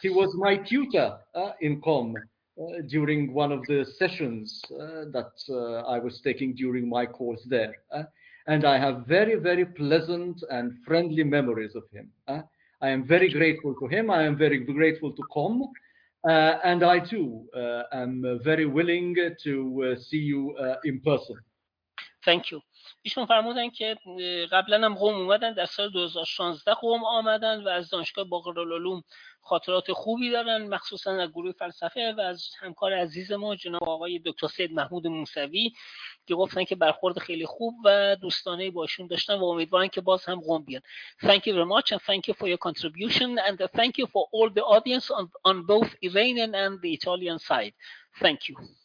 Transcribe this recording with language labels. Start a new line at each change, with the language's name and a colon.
English: He was my tutor in Qom during one of the sessions that I was taking during my course there. And I have very, very pleasant and friendly memories of him. I am very grateful to him. I am very grateful to Qom. And I, too, am very willing to see you in person. Thank you.
Persian: ایشون فرمودن که قبلا هم قوم اومدن در سال 2016 قوم آمدن و از دانشگاه باقرالعلوم خاطرات خوبی دارن، مخصوصا از گروه فلسفه و از همکار عزیز ما جناب آقای دکتر سید محمود موسوی که گفتن که برخورد خیلی خوب و دوستانه با ایشون داشتن و امیدوارن که باز هم قوم بیان.
English: Thank you very much and thank you for your contribution and thank you for all the audience on both Iranian and the Italian side. Thank you.